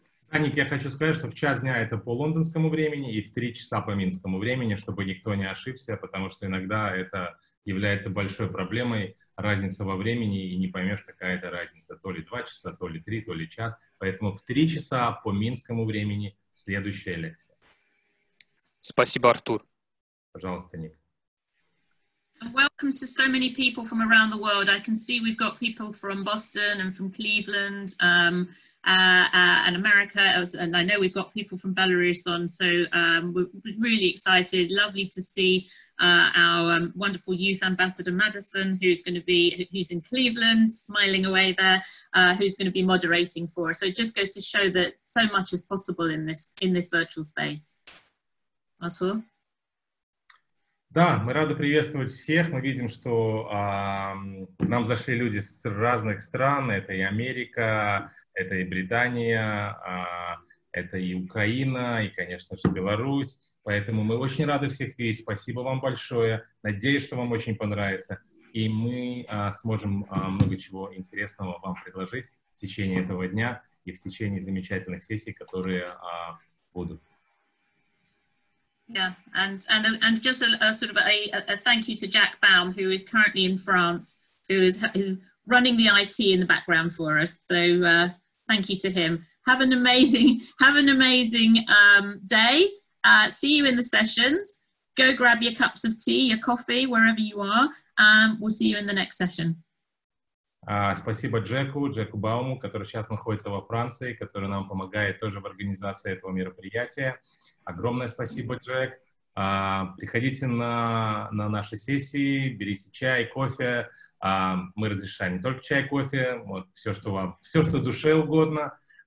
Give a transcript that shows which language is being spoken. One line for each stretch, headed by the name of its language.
Russian: Аник, я хочу сказать, что в час дня это по лондонскому времени и в 3 часа по минскому времени, чтобы никто не ошибся, потому что иногда это является большой проблемой, разница во времени, и не поймешь, какая это разница, то ли 2 часа, то ли 3, то ли час. Поэтому в 3 часа по минскому времени следующая лекция. Спасибо, Артур. Пожалуйста, Ник.
English: Welcome to so many people from around the world. I can see we've got people from Boston and from Cleveland and America. And I know we've got people from Belarus on. So we're really excited. Lovely to see our wonderful youth ambassador, Madison, who's in Cleveland, smiling away there, who's going to be moderating for us. So it just goes to show that so much is possible in this virtual space. Artur?
Russian: Да, мы рады приветствовать всех. Мы видим, что к нам зашли люди с разных стран. Это и Америка, это и Британия, это и Украина, и, конечно же, Беларусь. Поэтому мы очень рады всех видеть. Спасибо вам большое. Надеюсь, что вам очень понравится. И мы сможем много чего интересного вам предложить в течение этого дня и в течение замечательных сессий, которые будут.
English: Yeah, and just a sort of a thank you to Jack Baum, who is currently in France, who is running the IT in the background for us. So thank you to him. Have an amazing day. See you in the sessions. Go grab your cups of tea, your coffee, wherever you are. We'll see you in the next session.
Russian: Спасибо Джеку Бауму, который сейчас находится во Франции, который нам помогает тоже в организации этого мероприятия. Огромное спасибо, Джек. Приходите на наши сессии, берите чай, кофе. Мы разрешаем не только чай, кофе, вот, все, что душе угодно.